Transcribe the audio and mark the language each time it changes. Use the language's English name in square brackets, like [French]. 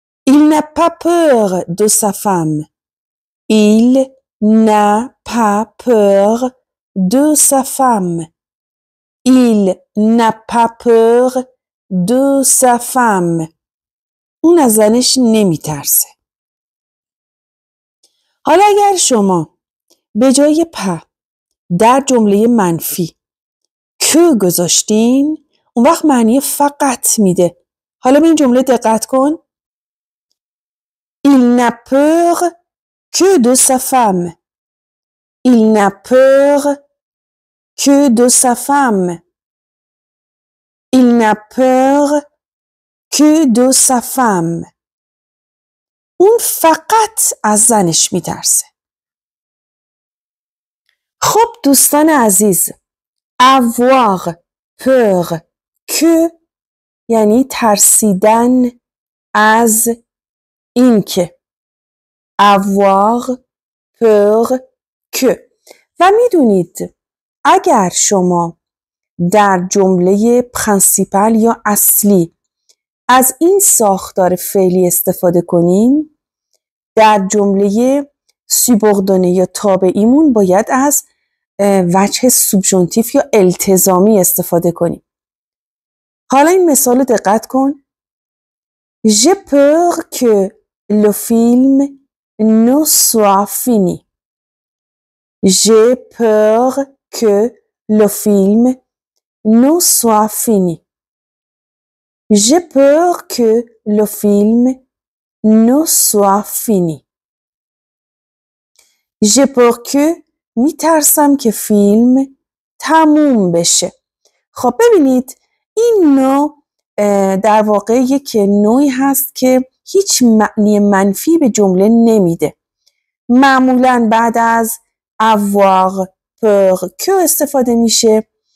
[French] Il n'a pas peur de sa femme. Il n'a pas peur de sa femme. Il n'a pas peur de sa femme. [Persian] اون از زنش نمیترسه. حالا اگر شما به جای پ در جمله منفی که گذاشتین، اون وقت معنی فقط میده. حالا به این جمله دقت کن. [French] Il n'a peur que de sa femme. Il n'a peur que de sa femme. Il n'a peur que de sa femme. [Persian] اون فقط از زنش میترسه. خب دوستان عزیز، [French] avoir peur que [Persian] یعنی ترسیدن از اینکه. [French] avoir peur que. [Persian] و میدونید اگر شما در جمله پرنسیپال یا اصلی از این ساختار فعلی استفاده کنین، در جمله سوبوردونه یا تابعیمون باید از وجه سوبژونتیف یا التزامی استفاده کنیم. حالا این مثال دقت کن. [French] Je peur que le film ne soit fini. J'ai peur que le film ne soit fini. J'ai peur que le film ne soit fini. J'ai peur que [Persian] میترسم که فیلم تموم بشه. خب ببینید، این نوع در واقع یک نوعی هست که هیچ معنی منفی به جمله نمیده. معمولا بعد از [French] avoir peur que [Persian] استفاده میشه.